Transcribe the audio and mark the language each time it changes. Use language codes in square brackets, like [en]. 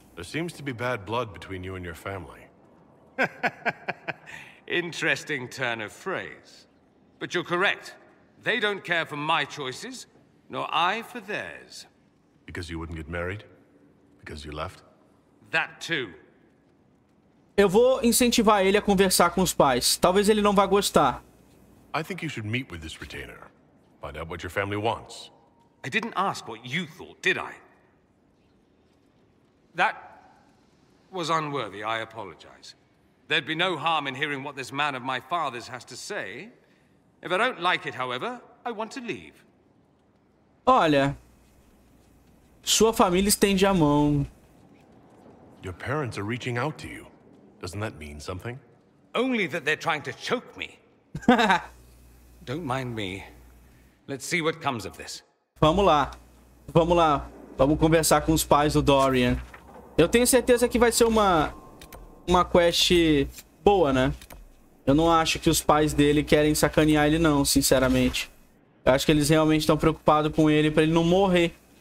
[en] There seems to be bad blood between you and your family. Interesting turn of phrase. But you're correct. They don't care for my choices, nor I for theirs. Because you wouldn't get married? Because you left? That too. [pt] Eu vou incentivar ele a conversar com os pais. Talvez ele não vá gostar. [en] I think you should meet with this retainer. Find out what your family wants. I didn't ask what you thought, did I? That was unworthy, I apologize. There'd be no harm in hearing what this man of my father's has to say. If I don't like it, however, I want to leave. [pt] Olha, sua família estende a mão. [en] Your parents are reaching out to you. Doesn't that mean something? Only that they're trying to choke me. Don't mind me. Let's see what comes of this. [pt] Vamos lá. Vamos lá. Vamos conversar com os pais do Dorian. Eu tenho certeza que vai ser uma quest boa, né? Eu não acho que os pais dele querem sacanear ele, não, sinceramente. Eu acho que eles realmente estão preocupados com ele pra ele não morrer.